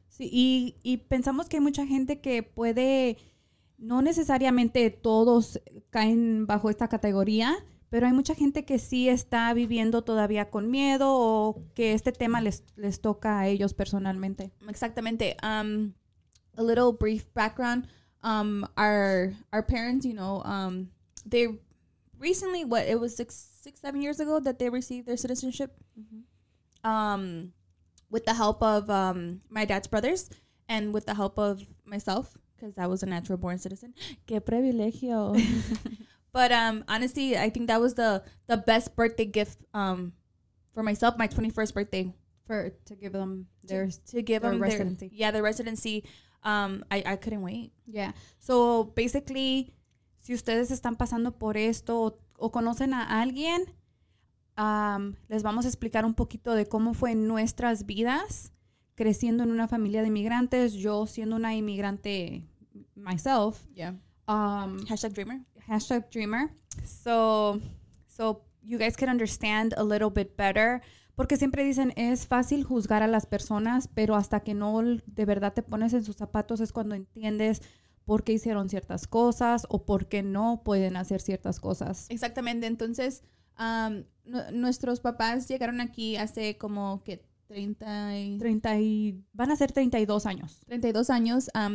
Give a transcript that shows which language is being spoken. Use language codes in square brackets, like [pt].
[es] Sí, y pensamos que hay mucha gente que puede, no necesariamente todos caen bajo esta categoría, pero hay mucha gente que sí está viviendo todavía con miedo o que este tema les toca a ellos personalmente. Exactamente. [en] A little brief background. Our parents, you know, they recently, what, it was six, seven years ago that they received their citizenship, mm-hmm. With the help of my dad's brothers and with the help of myself, because I was a natural born citizen. [es] Qué privilegio. [en] But honestly, I think that was the best birthday gift for myself, my 21st birthday. To give them their residency. Yeah, the residency. I couldn't wait. Yeah. So basically, [es] si ustedes están pasando por esto o conocen a alguien, les vamos a explicar un poquito de cómo fue nuestras vidas creciendo en una familia de inmigrantes, yo siendo una inmigrante [en] myself. Yeah. #dreamer. #dreamer. So you guys can understand a little bit better. [es] Porque siempre dicen, es fácil juzgar a las personas, pero hasta que no de verdad te pones en sus zapatos es cuando entiendes por qué hicieron ciertas cosas o por qué no pueden hacer ciertas cosas. Exactamente. Entonces, nuestros papás llegaron aquí hace como que 32 años.